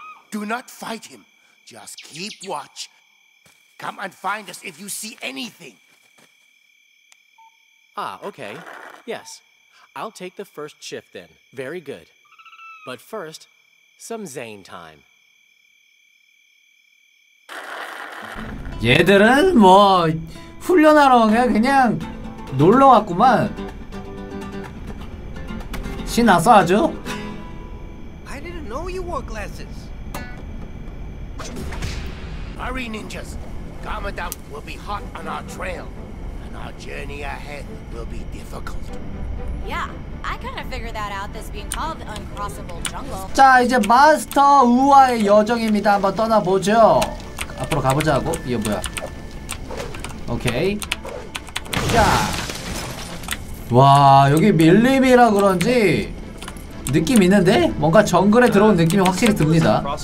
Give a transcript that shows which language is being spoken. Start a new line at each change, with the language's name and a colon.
English: Do not fight him. Just keep watch. Come and find us if you see anything. Ah, okay. Yes. I'll take the first shift then. Very good. But first, some Zane time.
Korean: 얘들은 뭐 훈련하러 그냥 놀러 왔구만. 신났어 아주.
English: I didn't know you wore glasses. Hurry, ninjas! Garmadon will be hot on our trail, and our journey ahead will be difficult. Yeah, I kind of figured that out. This being called the Uncrossable Jungle.
Korean: 자, 이제 마스터 우아의 여정입니다. 한번 떠나보죠. 앞으로 가보자고. 이거 뭐야? 오케이. 자. 와, 여기 밀림이라 그런지 느낌 있는데? 뭔가 정글에 들어온 느낌이 확실히 듭니다.